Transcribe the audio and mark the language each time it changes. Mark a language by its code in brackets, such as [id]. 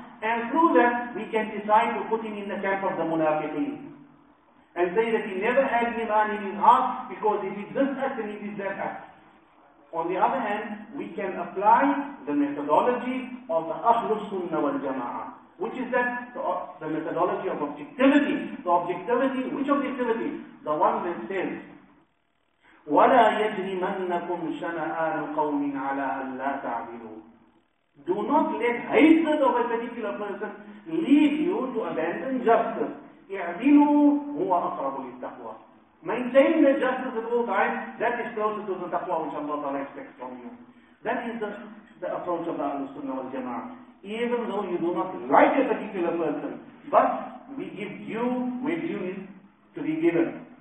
[en] And through that, we can decide to put him in the camp of the munafiqeen and say that he never had iman in his heart because he did this act and he did that act. On the other hand, we can apply the methodology of the Ahlus Sunnah wal Jama'ah, which is that the methodology of objectivity. The objectivity, which objectivity? The one that says, [ar] وَلَا يَجْرِمَنَّكُمْ شَنَآنَ قَوْمٍ عَلَىٰ أَلَّا تَعْبِلُوا. [en] Do not let hatred of a particular person lead you to abandon justice. [ar] اِعْدِلُوا هُوَ أَقْرَبُ لِلْتَقْوَى. [en] Maintain the justice at all times, that is closer to the taqwa which Allah Ta'ala expects from you. That is the approach of the Ahlus Sunnah wal Jama'ah. Even though you do not like a particular person, but we give due where due is to be given.